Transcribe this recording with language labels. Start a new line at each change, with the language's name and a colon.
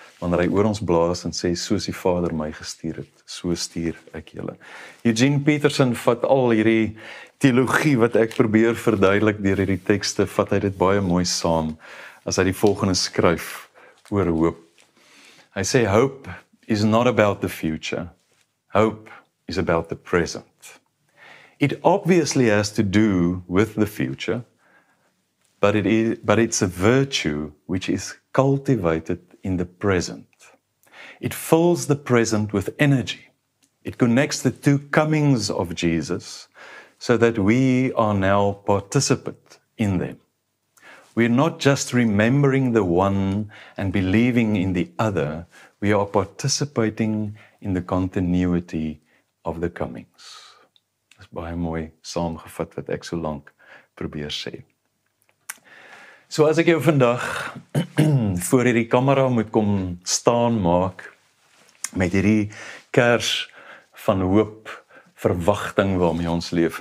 Afrikaans: Wanneer hy oor ons blaas en sê, soos die Vader my gestuur het, so stuur ek julle. Eugene Peterson vat al hierdie teologie wat ek probeer verduidelik deur hierdie tekste, vat hy dit baie mooi saam, as hy die volgende skryf oor hoop. Hy sê,
English: hope is not about the future. Hope is about the present. It obviously has to do with the future, but it's a virtue which is cultivated in the present. It fills the present with energy. It connects the two comings of Jesus so that we are now participant in them. We're not just remembering the one and believing in the other. We are participating in the continuity of the comings.
Afrikaans: Dis baie mooi saamgevat wat ek so lank probeer sê. So as ek jou vandag voor hierdie kamera moet kom staan maak met hierdie kers van hoop, verwagting waarmee ons leef.